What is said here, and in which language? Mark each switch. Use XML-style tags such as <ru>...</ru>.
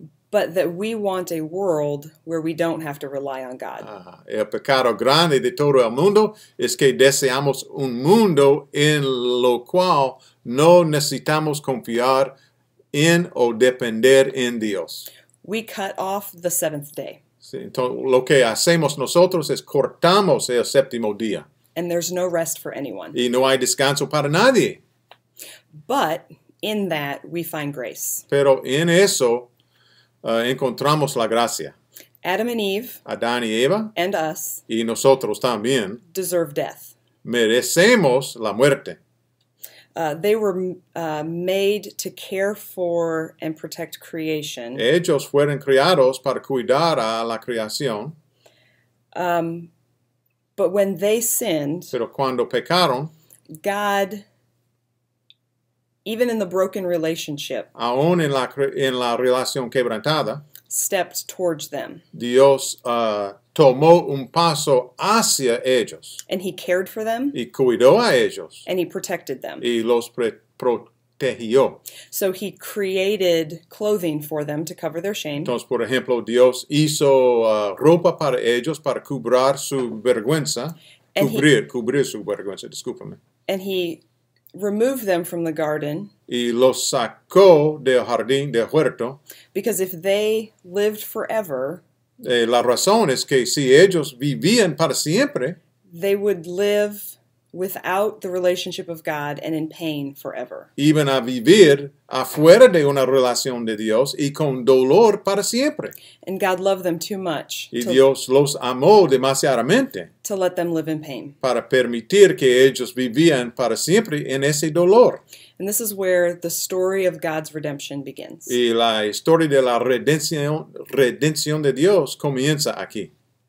<en>But that we want a world where we don't have to rely on God.</en> <es>El pecado grande de todo el mundo es que deseamos un mundo en lo cual no necesitamos confiar en o depender en Dios.</es> <en>We cut off the seventh day.</en> <es>Sí, entonces, lo que hacemos nosotros es cortamos el séptimo día.</es> <en>And there's no rest for anyone.</en> <es>Y no hay descanso para nadie.</es> <en>But in that, we find grace.</en> <es>Pero en eso, encontramos la gracia.</es> <en>Adam and Eve.</en> <es>Adán y Eva.</es> <en>And us.</en> <es>Y nosotros también.</es> <en>Deserve death.</en> <es>Merecemos la muerte.</es> <en>They were made to care for and protect creation.</en> <es>Ellos fueron criados para cuidar a la creación.</es> <en>But when they sinned.</en> <es>Pero cuando pecaron.</es> <en>God. Even in the broken relationship,</en> <es>aún en la relación quebrantada,</es> <en>stepped towards them.</en> <es>Dios tomó un paso hacia ellos.</es> <en>And he cared for them.</en> <es>Y cuidó a ellos.</es> <en>And he protected them.</en> <es>Y los protegió.</es> <en>So he created clothing for them to cover their shame.</en> <es>Entonces, por ejemplo, Dios hizo ropa para ellos para cubrir su vergüenza.</es> <en>And</en> <es>cubrir su vergüenza, discúlpame.</es> <en>And he removed them from the garden.</en> <es>Y los sacó del jardín, del huerto.</es> <en>Because if they lived forever.</en> <es>La razón es que si ellos vivían para siempre.</es> <en>They would live without the relationship of God and in pain forever.</en> <es>Iban a vivir afuera de una relación de Dios y con dolor para siempre.</es> <en>And God loved them too much.</en> <es>Y Dios los amó demasiadamente.</es> <en>To let them live in pain.</en> <es>Para permitir que ellos vivían para siempre en ese dolor.</es> <en>And this is where the story of God's redemption begins.</en> <es>Y la historia de la redención de Dios comienza aquí.</es>